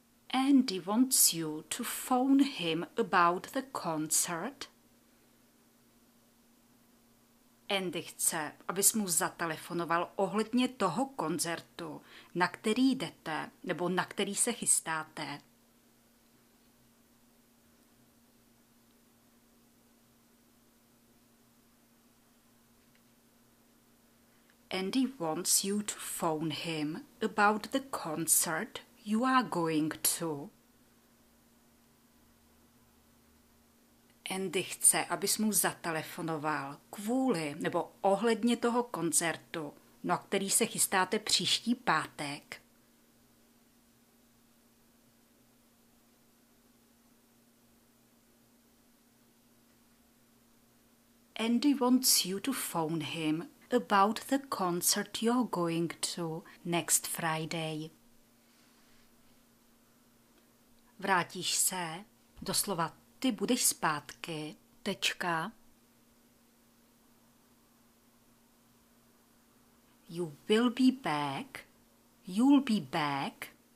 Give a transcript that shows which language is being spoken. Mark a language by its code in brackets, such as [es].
[en] Andy wants you to phone him about the concert. [cs] Andy chce, abys mu zatelefonoval ohledně toho koncertu, na který jdete nebo na který se chystáte. [en] Andy wants you to phone him about the concert you are going to. [cs] Andy chce, abys mu zatelefonoval kvůli nebo ohledně toho koncertu, na který se chystáte příští pátek. [en] Andy wants you to phone him about the concert you're going to next Friday. [cs] Vrátíš se, doslova ty budeš zpátky, tečka. [en] You will be back, you'll be back.